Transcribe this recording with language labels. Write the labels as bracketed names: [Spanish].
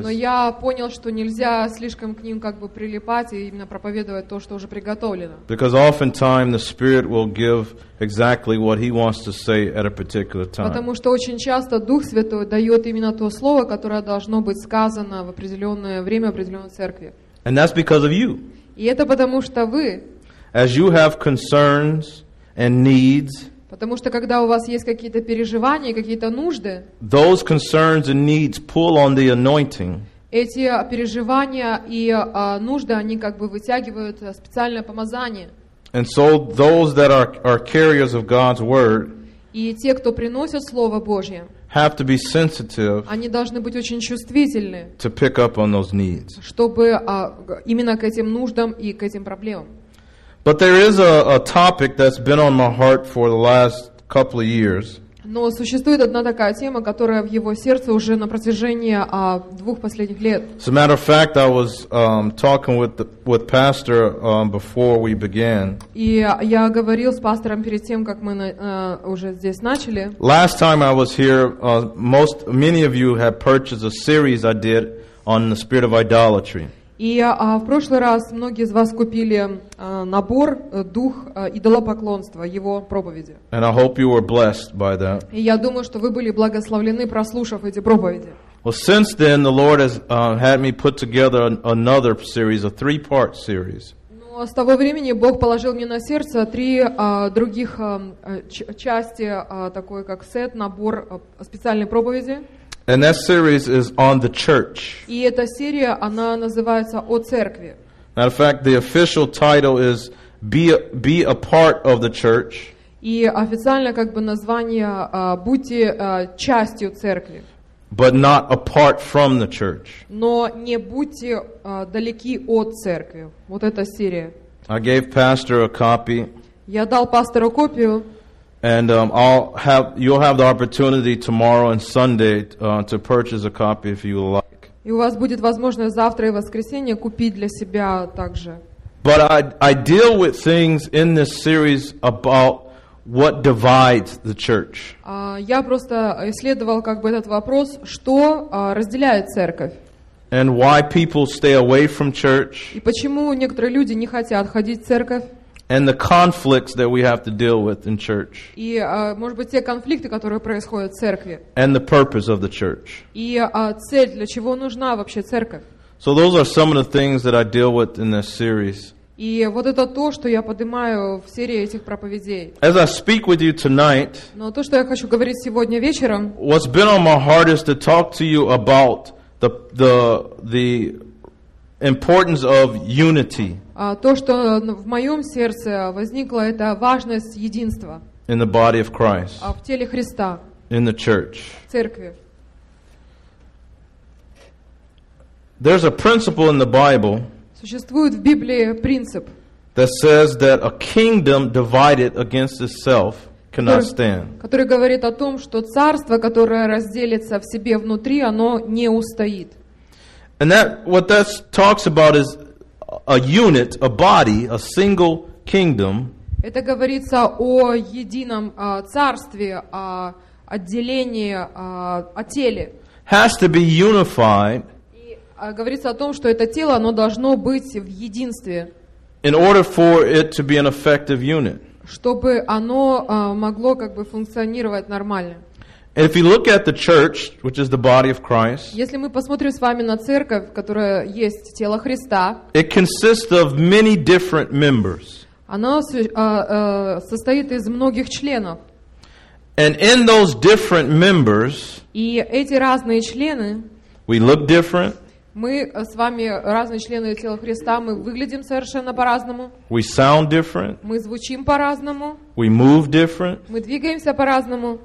[Russian] Но я понял, что нельзя слишком к ним как бы прилипать и именно проповедовать то, что уже приготовлено. [English] Because oftentimes the Spirit will give exactly what He wants to say at a particular time. [Russian] Потому что очень часто Дух Святой дает именно то слово, которое должно быть сказано в определенное время определенной церкви. [English] And that's because of you. [Russian] И это потому что вы. [English] As you have concerns and needs. [Russian] Потому что когда у вас есть какие-то переживания, какие-то нужды, [English] those concerns and needs pull on the anointing. [Russian] Эти переживания и нужды, они как бы вытягивают специальное помазание. [English] And so those that are carriers of God's word, [Russian] и те, кто приносят Слово Божье, [English] have to be sensitive, [Russian] они должны быть очень чувствительны, [English] to pick up on those needs. [Russian] Чтобы именно к этим нуждам и к этим проблемам. [English] But there is a topic that's been on my heart for the last couple of years. [Russian] Но существует одна такая тема, которая в его сердце уже на протяжении двух последних лет. [English] As a matter of fact, I was talking with pastor before we began. [Russian] И я говорил с пастором перед тем, как мы уже здесь начали. [English] Last time I was here, many of you had purchased a series I did on the spirit of idolatry. [Russian] И в прошлый раз многие из вас купили набор «Дух идолопоклонства», его проповеди. [English] And I hope you were blessed by that. [Russian] И я думаю, что вы были благословлены, прослушав эти проповеди. [English] Well, since then, the Lord has had me put together another series, a three-part series. [Russian] Но с того времени Бог положил мне на сердце три других части, такой как сет, набор специальной проповеди. [English] And that series is on the church. [Russian] И эта серия, она называется «О церкви». [English] Matter of fact, the official title is «Be a part of the church». [Russian] И официально как бы название «Будьте частью церкви». [English] But not apart from the church. [Russian] Но не будьте далеки от церкви. Вот эта серия. [English] I gave pastor a copy. [Russian] Я дал пастору копию. [English] And you'll have the opportunity tomorrow and Sunday to purchase a copy if you like. [Russian] И у вас будет возможность завтра и воскресенье купить для себя также. [English] But I deal with things in this series about what divides the church. [Russian] Я просто исследовал как бы этот вопрос, что разделяет церковь. [English] And why people stay away from church. [Russian] И почему некоторые люди не хотят ходить в церковь. [English] And the conflicts that we have to deal with in church. [Russian] И, может быть, те конфликты, которые происходят в церкви. [English] And the purpose of the church. [Russian] И, цель, для чего нужна вообще церковь. [English] So those are some of the things that I deal with in this series. [Russian] И вот это то, что я поднимаю в серии этих проповедей. [English] As I speak with you tonight. [Russian] Но то, что я хочу говорить сегодня вечером. [English] What's been on my heart is to talk to you about the importance of unity. [Russian] То, что в моем сердце возникло, это важность единства. [English] In the body of Christ. [Russian] В теле Христа. [English] In the church. [Russian] В церкви. [English] There's a principle in the Bible. [Russian] Существует в Библии принцип. [English] That says that a kingdom divided against itself cannot stand. [Russian] Который говорит о том, что царство, которое разделится в себе внутри, оно не устоит. [English] And that what that talks about is a unit, a body, a single kingdom. [Russian] Это говорится о едином царстве, о отделении, о теле. [English] Has to be unified. [Russian] И говорится о том, что это тело, оно должно быть в единстве. [English] In order for it to be an effective unit. [Russian] Чтобы оно могло как бы функционировать нормально. [English] If you look at the church, which is the body of Christ, [Russian] если мы посмотрим с вами на церковь, которая есть тело Христа, [English] it consists of many different members. [Russian] Она состоит из многих членов. [English] And in those different members, [Russian] и эти разные члены, [English] we look different. [Russian] Мы с вами разные члены тела Христа, мы выглядим совершенно по-разному. [English] We sound different. [Russian] Мы звучим по-разному. [English] We move different. [Russian] Мы двигаемся по-разному.